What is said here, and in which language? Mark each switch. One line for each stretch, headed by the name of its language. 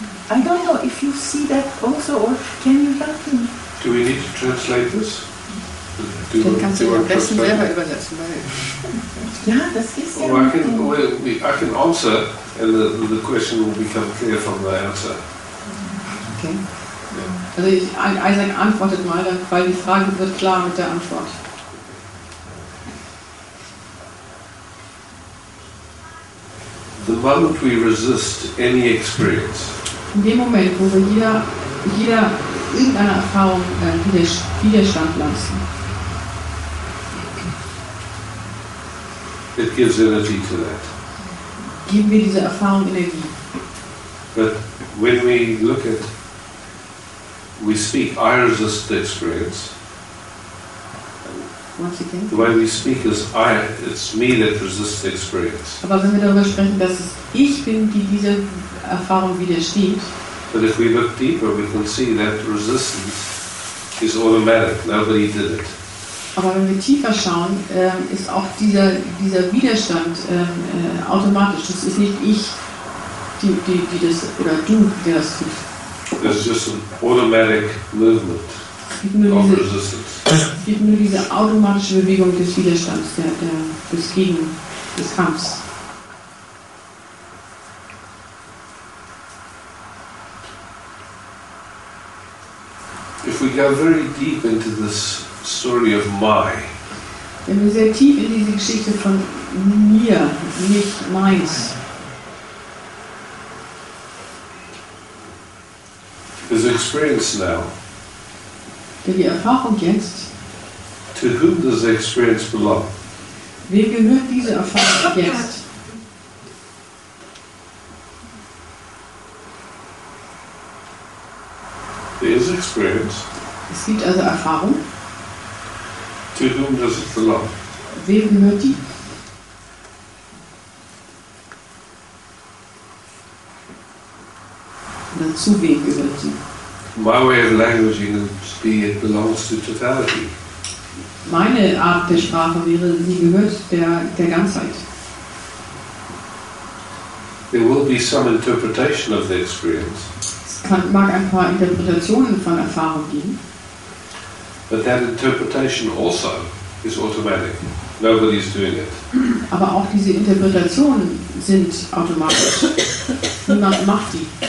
English: I don't know if you see that also, or can you help me? Do we need to translate this?
German: Dann kannst du am besten selber übersetzen. Ja, das ist ja.
English: I can answer, and the question will become clear from the answer. Okay. Yeah.
German: Also Isaac antwortet mal, weil die Frage wird klar mit der Antwort.
English: The moment we resist any experience.
German: In dem Moment, wo wir jeder irgendeine Erfahrung Widerstand lassen.
English: It gives energy to that.
German: Geben wir dieser Erfahrung Energie.
English: But when we look at, we speak, I resist the experience. The way we speak is I, it's me that resists the experience.
German: Aber wenn wir darüber sprechen, dass es ich bin, die diese Erfahrung widersteht.
English: But if we look deeper, we can see that resistance is automatic. Nobody did it.
German: Aber wenn wir tiefer schauen, ist auch dieser Widerstand automatisch. Das ist nicht ich, die das, oder du, der das tut.
English: It's just an automatic movement.
German: Es gibt nur diese automatische Bewegung des Widerstands, des Gegen, des Kampfs.
English: If we go very deep into this story of my,
German: wenn wir sehr tief in diese Geschichte von mir, nicht meins,
English: his experience now,
German: die Erfahrung jetzt,
English: to whom does the experience belong?
German: Wem gehört diese Erfahrung jetzt?
English: There is experience.
German: Es gibt also Erfahrung.
English: To whom does it belong?
German: Wem gehört die? Oder zu wem gehört sie?
English: My way of languaging would be it belongs to totality.
German: Meine Art der Sprache wäre, sie gehört der Ganzheit.
English: There will be some interpretation of the experience.
German: Es mag ein paar Interpretationen von Erfahrung geben.
English: But that interpretation also is automatic. Nobody is doing it.
German: Aber auch diese Interpretationen sind automatisch. Niemand macht die.